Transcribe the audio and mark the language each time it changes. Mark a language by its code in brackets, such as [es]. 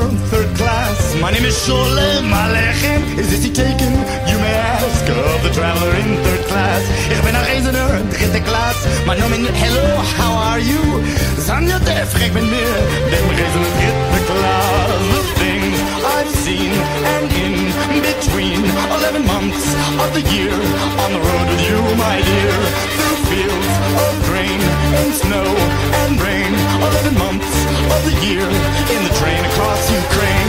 [en] My name is Sholem Alechem. Is this seat taken? You may ask of the traveler in third class. [de] Ich bin ein Reisender, dritte Klasse. Mein Name ist [en] Hello, how are you? [de] Sanjete, frech mit mir, dem Reisender, dritte Klasse. [en] The things I've seen and in between 11 months of the year on the road with you, my dear. Through fields of grain and snow and rain, 11 months of the year in the train across Ukraine.